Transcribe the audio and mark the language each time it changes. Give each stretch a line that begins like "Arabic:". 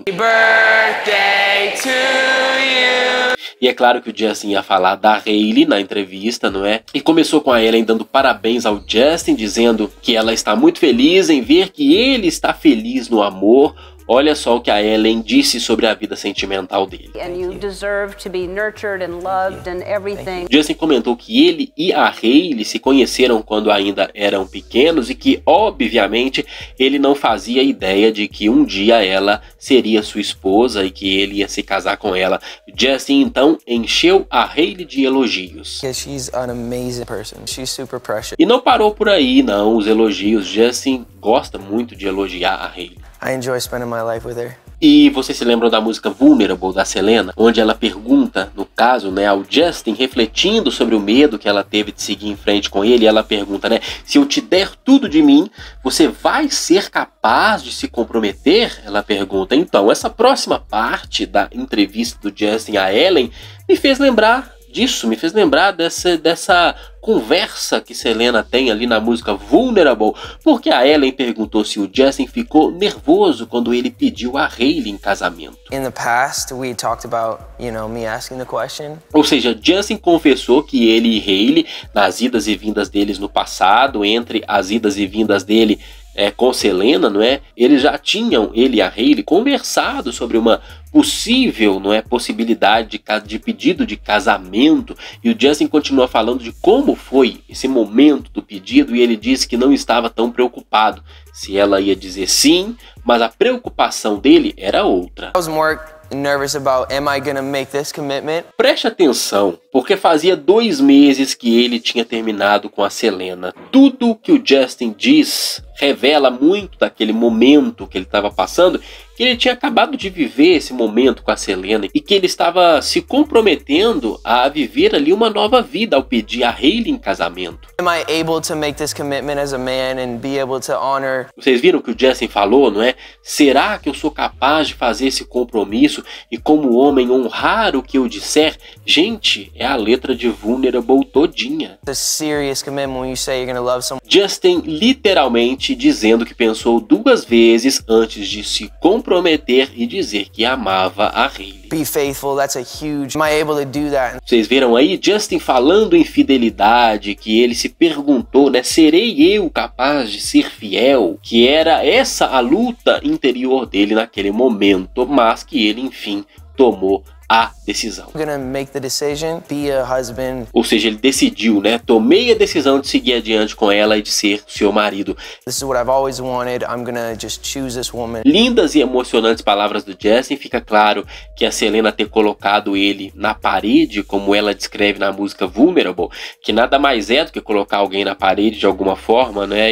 English: Happy birthday to you.
Portuguese: E é claro que o Justin ia falar da Hailey na entrevista, não é? E começou com a Ellen dando parabéns ao Justin, dizendo que ela está muito feliz em ver que ele está feliz no amor. Olha só o que a Ellen disse sobre a vida sentimental dele.
English: And you deserve to be nurtured and loved and everything.
Portuguese: Justin comentou que ele e a Hailey se conheceram quando ainda eram pequenos e que, obviamente, ele não fazia ideia de que um dia ela seria sua esposa e que ele ia se casar com ela. Justin, então, encheu a Hailey de elogios.
English: She's an amazing person. She's super precious.
Portuguese: E não parou por aí, não, os elogios. Justin gosta muito de elogiar a Hailey.
English: I enjoy spending my life with her.
Portuguese: E vocês se lembram da música Vulnerable da Selena, onde ela pergunta, no caso, né, ao Justin, refletindo sobre o medo que ela teve de seguir em frente com ele, ela pergunta, né, se eu te der tudo de mim, você vai ser capaz de se comprometer? Ela pergunta. Então, essa próxima parte da entrevista do Justin a Ellen me fez lembrar disso, me fez lembrar dessa conversa que Selena tem ali na música Vulnerable, porque a Ellen perguntou se o Justin ficou nervoso quando ele pediu a Hailey em casamento.
English: In the past, we talked about, you know, me asking the question.
Portuguese: Ou seja, Justin confessou que ele e Hailey, nas idas e vindas deles no passado, entre as idas e vindas dele com Selena, não é? Eles já tinham, ele e a Hailey, conversado sobre uma possível, não é, possibilidade de pedido de casamento. E o Justin continua falando de como foi esse momento do pedido e ele disse que não estava tão preocupado se ela ia dizer sim, mas a preocupação dele era outra.
English: I was more nervous about, am I gonna make this commitment?
Portuguese: Preste atenção, porque fazia 2 meses que ele tinha terminado com a Selena. Tudo que o Justin diz revela muito daquele momento que ele estava passando, que ele tinha acabado de viver esse momento com a Selena e que ele estava se comprometendo a viver ali uma nova vida ao pedir a Hailey em casamento.
English: Am I able to make this commitment as a man and be able to honor?
Portuguese: Vocês viram o que o Justin falou, não é? Será que eu sou capaz de fazer esse compromisso e como homem honrar o que eu disser? Gente, é a letra de Vulnerable todinha.
English: The serious commitment when you say you're gonna love someone.
Portuguese: Justin literalmente dizendo que pensou 2 vezes antes de se comprometer e dizer que amava a Hailey.
English: Be faithful, that's a huge. Am I able to do that?
Portuguese: Vocês viram aí Justin falando em fidelidade, que ele se perguntou, né, serei eu capaz de ser fiel? Que era essa a luta interior dele naquele momento, mas que ele, enfim, tomou a decisão.
English: I'm gonna make the decision, be a husband.
Portuguese: Ou seja, ele decidiu, né? Tomei a decisão de seguir adiante com ela e de ser seu marido.
English: This is what I've always wanted. I'm gonna just choose this woman.
Portuguese: Lindas e emocionantes palavras do Justin. Fica claro que a Selena ter colocado ele na parede, como ela descreve na música Vulnerable, que nada mais é do que colocar alguém na parede de alguma forma, né?